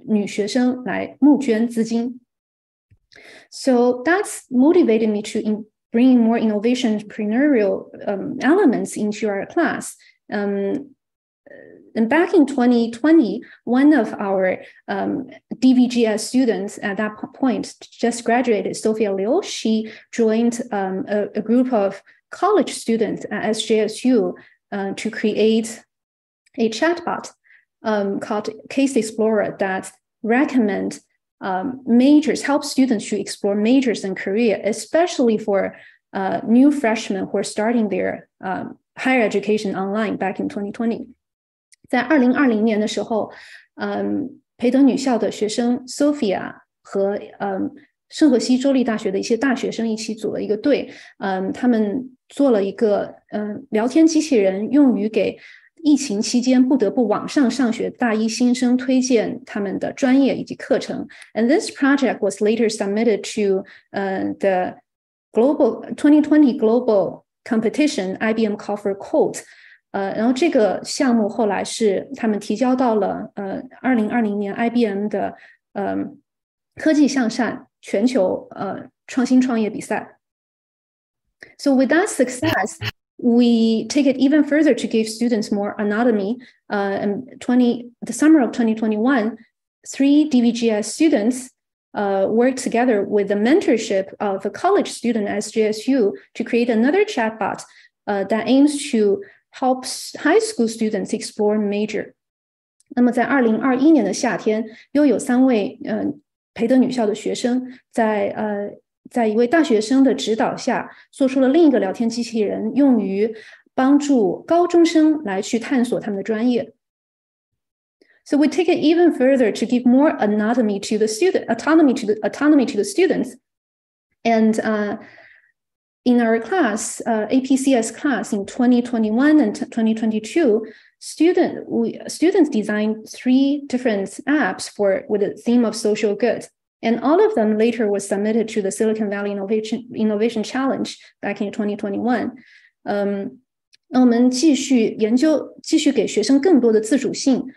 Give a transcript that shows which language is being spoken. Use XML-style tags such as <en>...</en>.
<zh>学生的才能远远不止这些，在2020年的夏天，我通过女校也知道，学生一群女生创建了一个这样一个创新创业项目，叫她的梦想同样珍贵，用通过社交媒体和电子商务为海地的女学生来募捐资金。</zh> <en>So that's motivated me to bring more innovation entrepreneurial elements into our class. And back in 2020, one of our DVGS students at that point just graduated, Sophia Liu. She joined a group of college students at SJSU to create a chatbot called Case Explorer that recommends majors, help students to explore majors in Korea, especially for new freshmen who are starting their higher education online back in 2020.</en> <zh>在2020年的时候, 培德女校的学生 Sophia 和 圣何西州立大学的一些大学生一起组了一个队, 他们做了一个 聊天机器人用于给 疫情期间不得不网上上学大一新生推荐他们的专业以及课程.</zh> <en>And this project was later submitted to the global 2020 global competition IBM Call for Code.</en> <zh>然后这个项目后来是他们提交到了2020年 IBM 的科技向善全球创新创业比赛.</zh> <en>So with that success, we take it even further to give students more autonomy. The summer of 2021, three DVGS students worked together with the mentorship of a college student at SJSU to create another chatbot that aims to help high school students explore major.</en> <zh>那么在2021年的夏天，又有三位培德女校的学生在在一位大学生的指导下，做出了另一个聊天机器人，用于帮助高中生来去探索他们的专业。</zh> <en>So we take it even further to give more autonomy to the student, autonomy to the students. And in our class, APCS class in 2021 and 2022, students designed three different apps for with a theme of social good. And all of them later were submitted to the Silicon Valley Innovation Challenge back in 2021.</en> <zh>那我们继续研究，继续给学生更多的自主性。</zh>